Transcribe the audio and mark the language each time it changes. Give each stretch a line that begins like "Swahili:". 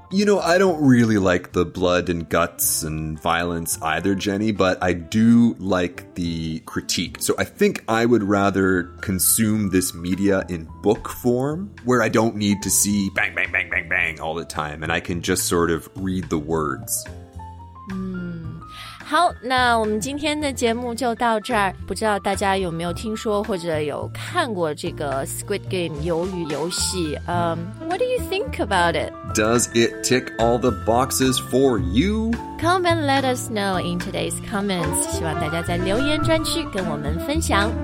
English: You know, I don't really like the blood and guts and violence either, Jenny, but I do like the critique. So I think I would rather consume this media in book form, where I don't need to see bang, bang, bang, bang, bang all the time, and I can just sort of read the words.
Chinese: 好，那我们今天的节目就到这儿。不知道大家有没有听说或者有看过这个 Squid Game 鱿鱼游戏？
English: What do you think about it? Does it tick all the boxes for you? Come and let us know in today's comments.
Chinese: 希望大家在留言专区跟我们分享。